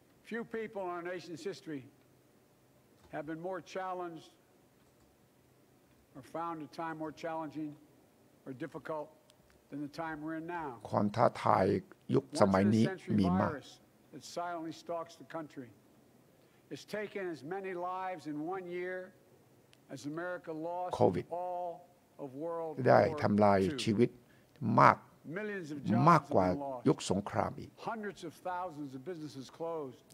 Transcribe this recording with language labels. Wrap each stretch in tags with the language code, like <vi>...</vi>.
<en>Few people in our nation's history have been more challenged or found a time more challenging or difficult than the time we're in now</en> <th>ความท้าทายยุคสมัยนี้มีมาก</th> <en>It silently stalks the countryIt's taken as many lives in one year as America lost COVID. all of World War II.</en> <th>ได้ทำลายชีวิตมากมากกว่ายุคสงครามอีก</th> <en>Hundreds of thousands of businesses closed.</en>